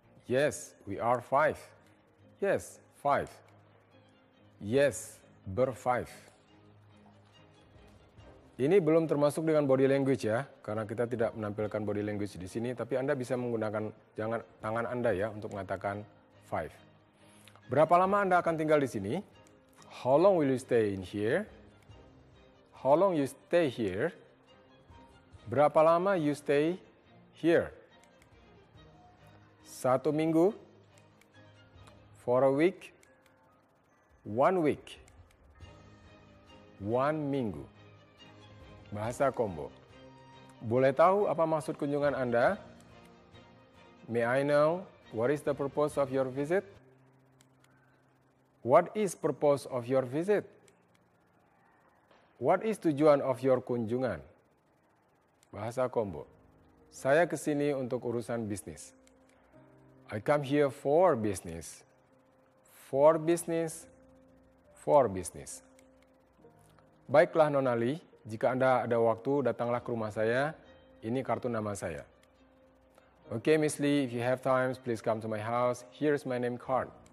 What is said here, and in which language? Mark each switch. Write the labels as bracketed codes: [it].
[en] Yes, we are five. Yes, five. Yes, berfive. [id] Ini belum termasuk dengan body language ya, karena kita tidak menampilkan body language di sini, tapi Anda bisa menggunakan tangan Anda ya untuk mengatakan five. Berapa lama Anda akan tinggal di sini? [en] How long will you stay in here? How long you stay here? [id] Berapa lama [en] you stay here? [id] Satu minggu? [en] For a week? One week? One minggu? [id] Bahasa combo. Boleh tahu apa maksud kunjungan Anda? [en] May I know what is the purpose of your visit? What is purpose of your visit? What is tujuan of your kunjungan? [id] Bahasa combo. Saya ke sini untuk urusan bisnis. [en] I come here for business. For business. For business. [id] Baiklah Non Ali, jika Anda ada waktu datanglah ke rumah saya. Ini kartu nama saya. [en] Okay, Miss Lee, if you have time, please come to my house. Here's my name card.